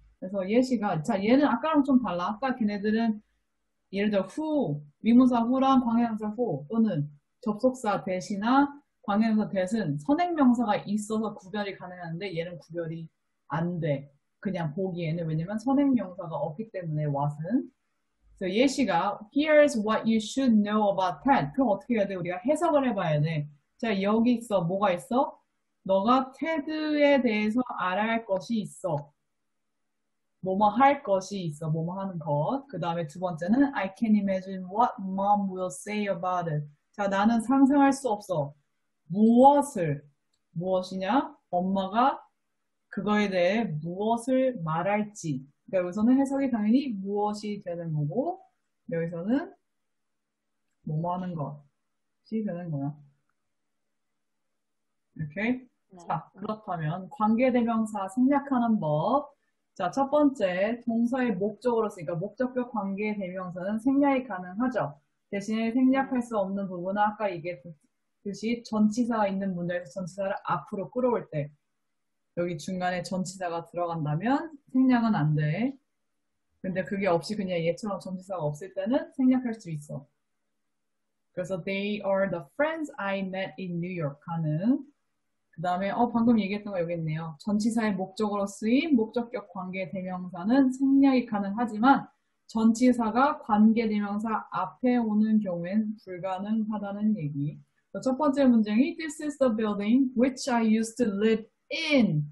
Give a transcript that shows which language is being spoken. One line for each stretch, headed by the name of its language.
Korean: 그래서 예시가, 자, 얘는 아까랑 좀 달라. 아까 걔네들은 예를 들어 who, 미문사 who랑 관계대명사 who 또는 접속사 대시나 관계대명사 대신 선행명사가 있어서 구별이 가능한데 얘는 구별이 안 돼. 그냥 보기에는 왜냐면 선행명사가 없기 때문에 what은. 그래서 예시가
English: here's what you should know about Ted.
Korean: 그럼 어떻게 해야 돼? 우리가 해석을 해봐야 돼. 자, 여기 있어. 뭐가 있어? 너가 테드에 대해서 알아야 할 것이 있어. 뭐뭐 할 것이 있어. 뭐뭐 하는 것. 그 다음에 두 번째는
English: I can imagine what mom will say about it.
Korean: 자, 나는 상상할 수 없어. 무엇을? 무엇이냐? 엄마가 그거에 대해 무엇을 말할지. 그러니까 여기서는 해석이 당연히 무엇이 되는 거고, 여기서는 뭐뭐 하는 것이 되는 거야. 오케이? 자, 그렇다면 관계대명사 생략하는 법. 자, 첫 번째, 동사의 목적으로 쓰니까 목적격 관계대명사는 생략이 가능하죠. 대신에 생략할 수 없는 부분은 아까 얘기했듯이 전치사가 있는 문장에서 전치사를 앞으로 끌어올 때. 여기 중간에 전치사가 들어간다면 생략은 안 돼. 근데 그게 없이 그냥 얘처럼 전치사가 없을 때는 생략할 수 있어. 그래서
English: they are the friends I met in New York
Korean: 하는. 그다음에 방금 얘기했던 거 여기 있네요. 전치사의 목적으로 쓰인 목적격 관계대명사는 생략이 가능하지만 전치사가 관계대명사 앞에 오는 경우엔 불가능하다는 얘기. 첫 번째 문장이
English: This is the building which I used to live in.